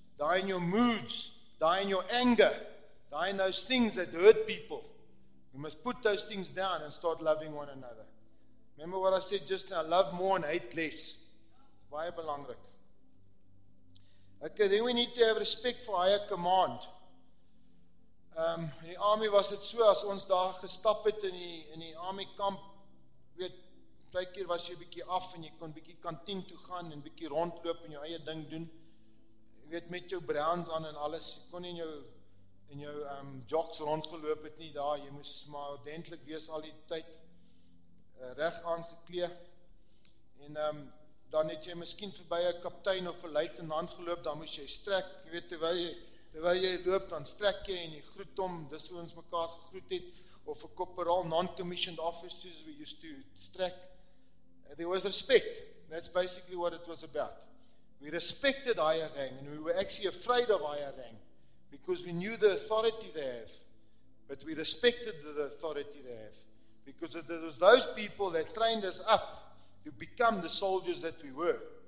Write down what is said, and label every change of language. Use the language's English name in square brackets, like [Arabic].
[English] Die in your moods. Die in your anger. Die in those things that hurt people. We must put those things down and start loving one another. Remember what I said just now. Love more and hate less. [Afrikaans] Baie belangrik. [English] Okay, then we need to have respect for higher command. [Afrikaans] In die army was het so, as ons daar gestap het in die army kamp, weet, twee keer was jy bykie af en jy kon bykie kantien toe gaan en bykie rondloop en jou eie ding doen, weet, met jou browns aan en alles, jy kon nie in jou jocks rondgeloop het nie daar, jy moes maar ordentlik wees al die tyd recht aangekleed, en dan het jy miskien voorbij een kaptein of een luitenant geloop, dan moes jy strek, jy weet, terwyl jy loop, dan strek jy en jy groet om, dis hoe ons mekaar gegroet het, [English] of a corporal, non-commissioned officers, we used to strek. There was respect. That's basically what it was about. We respected higher rank, and we were actually afraid of higher rank, because we knew the authority they have, but we respected the authority they have, because it was those people that trained us up to become the soldiers that we were.